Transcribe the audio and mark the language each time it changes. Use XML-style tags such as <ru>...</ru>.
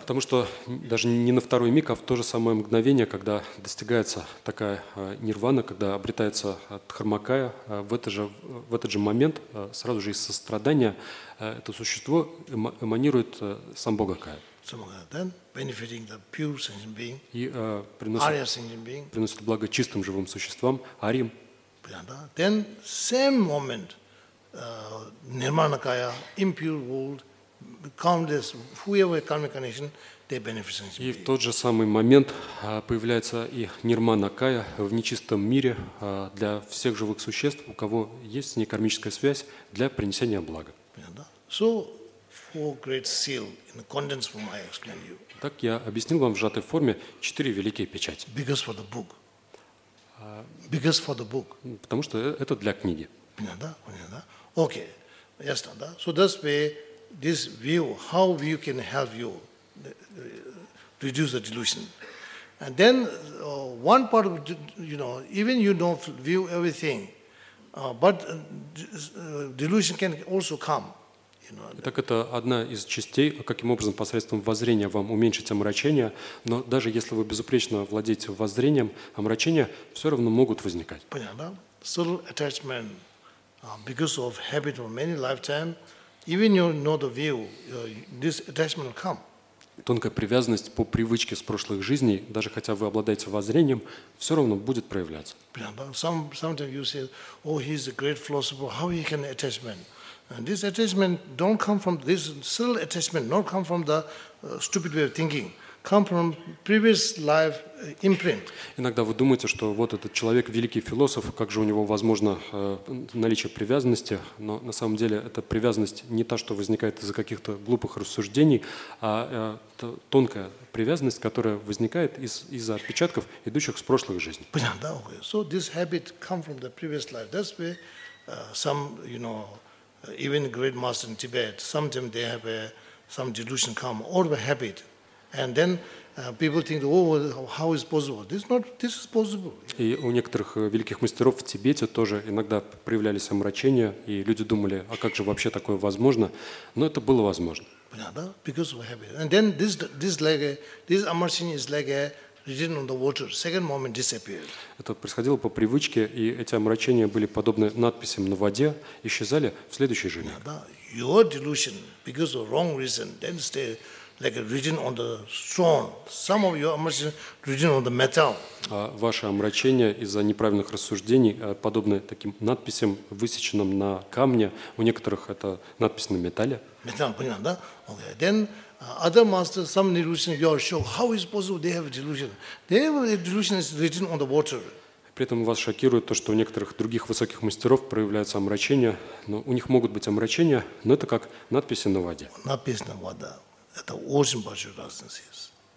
<ru>Потому что даже не на второй миг, а в то же самое мгновение, когда достигается такая нирвана, когда обретается дхармакая, в этот же момент сразу же из сострадания это существо эманирует самбхогакая.</ru> <en>Then benefiting the pure sentient being.</en> <ru>И приносит благо чистым живым существам, арьям.</ru> <en>Then same moment. Nirmanakaya, impure world, countless, whoever karmic connection, they benefit.</en> <ru>И в тот же самый момент появляется и нирманакая в нечистом мире для всех живых существ, у кого есть некармическая связь, для принесения блага.</ru> <en>So, four great seal in condensed form I explained you.</en> <ru>Так я объяснил вам в сжатой форме четыре великие печати.</ru> <en>Because for the book. Because for the book.</en> <ru>Потому что это для книги. Понятно?</ru> <en>Okay, yes, Tanda. So that's where this view, how view can help you reduce the delusion. And then one part of, you know, even you don't view everything, but delusion can also come.</en> <ru>Итак, это одна из частей, каким образом посредством воззрения вам уменьшить омрачение, но даже если вы безупречно владеете воззрением, омрачения все равно могут возникать. Понятно?</ru> <en>Subtle attachment, because of habit of many lifetime, even you know the view, this attachment will come.</en> <ru>Тонкая привязанность по привычке с прошлых жизней, даже хотя вы обладаете воззрением, все равно будет проявляться. Понятно?</ru> <en>Sometimes you say, oh, he's a great philosopher, how he can attachment? And this attachment don't come from this subtle attachment, not come from the stupid way of thinking, come from previous life imprint.</en> <ru>Иногда вы думаете, что вот этот человек великий философ, как же у него возможно наличие привязанности, но на самом деле эта привязанность не та, что возникает из-за каких-то глупых рассуждений, а тонкая привязанность, которая возникает из-за отпечатков, идущих с прошлых жизней. Понятно, okay.</ru> <en>So this habit come from the previous life. That's why some, you know, even great master in Tibet, sometimes they have some delusion come, or a habit, and then people think, oh, how is possible? This is possible.</en> <ru>И у некоторых великих мастеров в Тибете тоже иногда проявлялись омрачения, и люди думали, а как же вообще такое возможно? Но это было возможно. Понятно?</ru> <en>Because of a habit, and then this</en> <ru>омрачение</ru> <en>is like a written on the water. Second moment disappeared.</en> <ru>Это происходило по привычке, и эти омрачения были подобны надписям на воде, исчезали в следующий же миг.</ru> <en>Your delusion, because of wrong reason, then stay like written on the stone. Some of your omission written on the metal.</en> <ru>А ваше омрачение из-за неправильных рассуждений подобны таким надписям, высеченным на камне. У некоторых это надпись на металле. Metal, понятно, да? Okay.</ru> <en>Then other masters, some delusion, you are shocked. How is possible they have a delusion? Their delusion is written on the water.</en> <ru>При этом вас шокирует то, что у некоторых других высоких мастеров проявляются омрачения, но у них могут быть омрачения, но это как надписи на воде. Надпись на воде. Это очень большая разница есть.</ru>